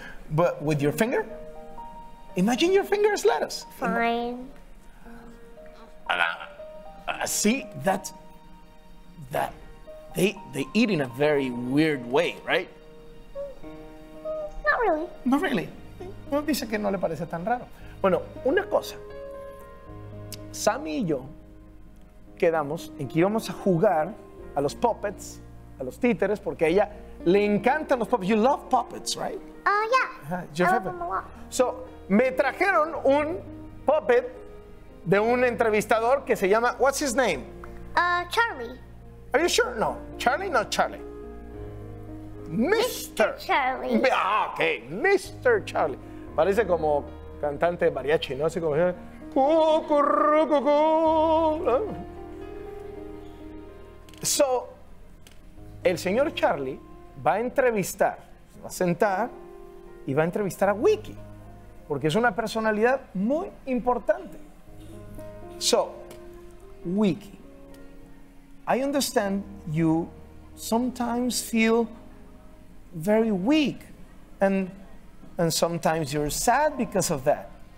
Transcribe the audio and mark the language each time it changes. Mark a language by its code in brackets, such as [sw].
[en] But with your finger? Imagine your finger is lettuce. Fine. See, that they eat in a very weird way, right? Not really. Not really. [es] No dice que no le parece tan raro. Bueno, una cosa. Sammy y yo quedamos en que íbamos a jugar a los puppets, a los títeres, porque a ella le encantan los puppets. [en] You love puppets, right? Yeah. Your I love them a lot. [es] So, me trajeron un puppet de un entrevistador que se llama, [en] what's his name? Charlie. Are you sure? No. Charlie, not Charlie. Mr. Charlie. [es] Ah, okay. Mr. Charlie. Parece como cantante de mariachi, ¿no? Así como... Cucurrucucú. So, el señor Charlie va a entrevistar, se va a sentar y va a entrevistar a Wiki, porque es una personalidad muy importante. [en] So, Wiki, I understand you sometimes feel very weak and sometimes you're sad because of that.